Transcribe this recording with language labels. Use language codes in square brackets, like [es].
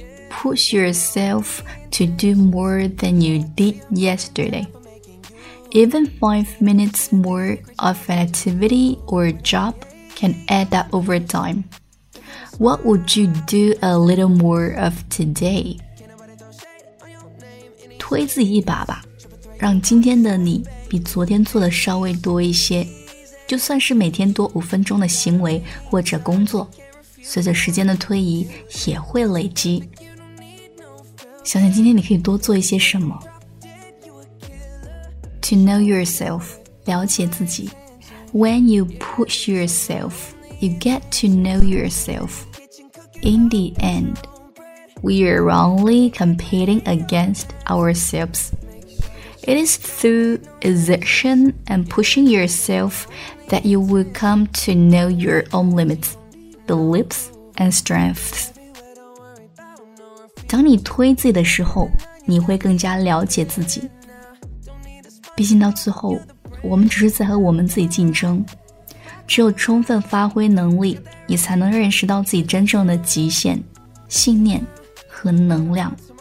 [en] Push yourself to do more than you did yesterday. Even 5 minutes more of an activity or job can add up over time. What would you do a little more of today? [zh] 推自己一把吧，让今天的你比昨天做的稍微多一些，就算是每天多5分钟的行为或者工作。随着时间的推移也会累积，想想今天你可以多做一些什么。 [en] To know yourself， [zh] 了解自己。 [en] When you push yourself， you get to know yourself。 In the end， we are wrongly competing against ourselves。 It is through exertion and pushing yourself that you will come to know your own limitsbeliefs and strengths。 [zh] 当你推自己的时候，你会更加了解自己。毕竟到最后，我们只是在和我们自己竞争。只有充分发挥能力，你才能认识到自己真正的极限、信念和能量。